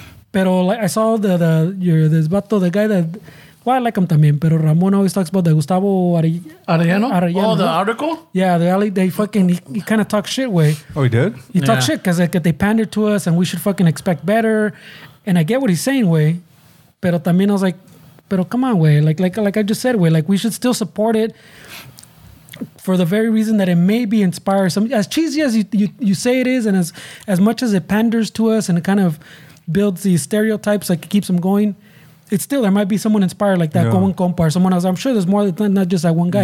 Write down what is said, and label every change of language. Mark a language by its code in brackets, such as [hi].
[en] Pero like, I saw the guy that, well, I like him [es] también, pero [en] Ramon always talks about the Gustavo Arellano. Arellano. Oh, the article? Yeah, he kind of talks shit, Wei. Oh, he did? Talks shit because like, they pander to us and we should fucking expect better. And I get what he's saying, Wei. [es] Pero también [en] I was like, pero come on, Wei. Like I just said, Wei, like we should still support it for the very reason that it may be inspired. Some, as cheesy as you say it is, and as much as it panders to us and it kind of builds these stereotypes, like it keeps them going, it's still, there might be someone inspired like that, [es] como un compa, [en] or someone else. I'm sure there's more than not just that one guy.